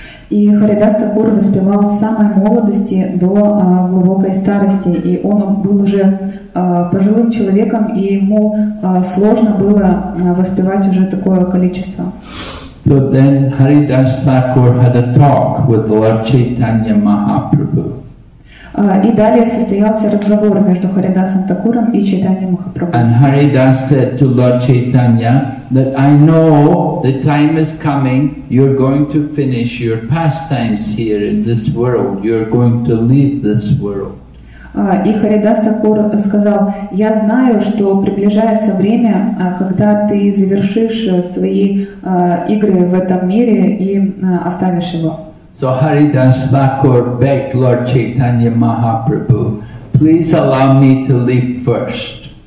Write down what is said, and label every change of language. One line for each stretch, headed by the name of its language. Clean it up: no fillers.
Russian: И Харидас Такур воспевал с самой молодости до глубокой старости, и он был уже пожилым человеком, и ему сложно было воспевать уже такое количество.
English: So then Haridas Thakur had a talk with Lord Chaitanya Mahaprabhu.
Russian: И далее состоялся разговор между Харидасом Такуром и Чайтанья Махапрабху.
English: And Haridas said to Lord Chaitanya that I know the time is coming, you're going to finish your pastimes here in this world, you're going to leave this world.
Russian: И Харидас Такур сказал, я знаю, что приближается время, когда ты завершишь свои игры в этом мире и оставишь его.
English: So Haridas Thakur begged Lord Chaitanya Mahaprabhu, please allow me to leave first.